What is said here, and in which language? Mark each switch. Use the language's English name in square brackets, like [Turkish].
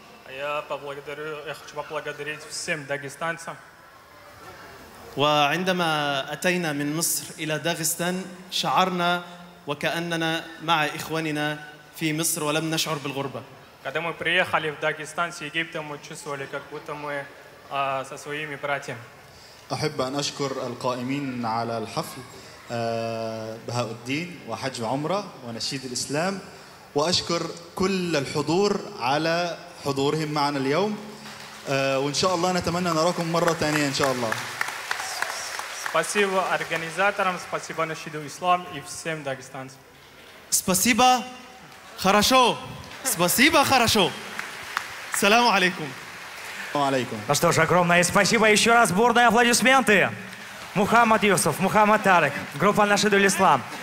[Arabic] يا [Russian] поблагодарю я хочу поблагодарить всем дагестанцам [Arabic] وعندما اتينا من مصر الى داغستان شعرنا وكأننا مع إخواننا في مصر ولم نشعر بالغربة. عندما [Russian] приехали в Дагестан с Египтом, мы чувствовали, как будто мы со своими братьями. [Arabic] أحب أن أشكر القائمين على الحفل بهاء الدين وحج عمرة ونشيد الإسلام وأشكر كل الحضور على حضورهم معنا اليوم وإن شاء الله نتمنى نراكم مرة ثانية إن شاء الله. [Russian] Спасибо организаторам, спасибо Нашиду Ислам и всем дагестанцам. Спасибо. Хорошо. Спасибо, хорошо. Саламу алейкум. Саламу алейкум. Ну что ж, огромное спасибо. Еще раз бурные аплодисменты. Мухаммад Юсуф, Мухаммад Тарик, группа Нашиду Ислам.